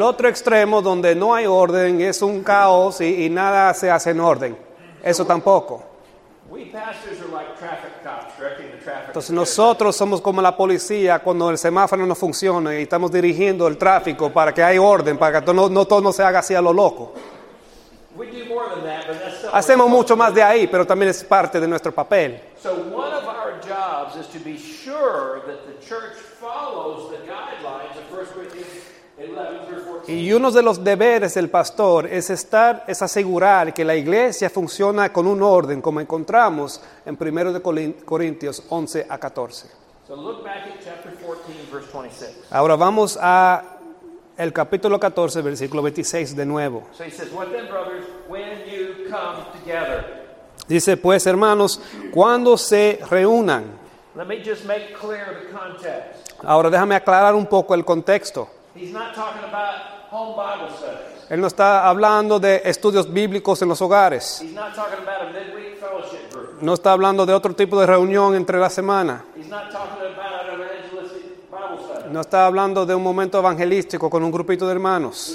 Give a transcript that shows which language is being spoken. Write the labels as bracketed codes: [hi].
[es] otro extremo donde no hay orden, es un caos y nada se hace en orden. Eso tampoco. [en] We pastors are like traffic cops, directing the traffic. [es] Entonces nosotros somos como la policía cuando el semáforo no funciona y estamos dirigiendo el tráfico para que haya orden, para que todo no se haga así a lo loco. [en] We do more than that, but that's still [es] hacemos mucho más de ahí, pero también es parte de nuestro papel. [en] So one of our jobs is to be sure that the church follows the guidelines of 1 Corinthians 11-14. [es] Y uno de los deberes del pastor es asegurar que la iglesia funciona con un orden, como encontramos en 1 Corintios 11 a 14. [en] So look back at chapter 14, verse 26. [es] Ahora vamos a el capítulo 14, versículo 26 de nuevo. [en] So he says, what then, brothers, when you come together? [es] Dice, pues, hermanos, cuando se reúnan. [en] Let me just make clear the context. [es] Ahora déjame aclarar un poco el contexto. [en] He's not talking about home Bible studies. [es] Él no está hablando de estudios bíblicos en los hogares. [en] He's not talking about a midweek fellowship group. [es] No está hablando de otro tipo de reunión entre la semana. [en] He's not talking about an evangelistic Bible study. [es] No está hablando de un momento evangelístico con un grupito de hermanos.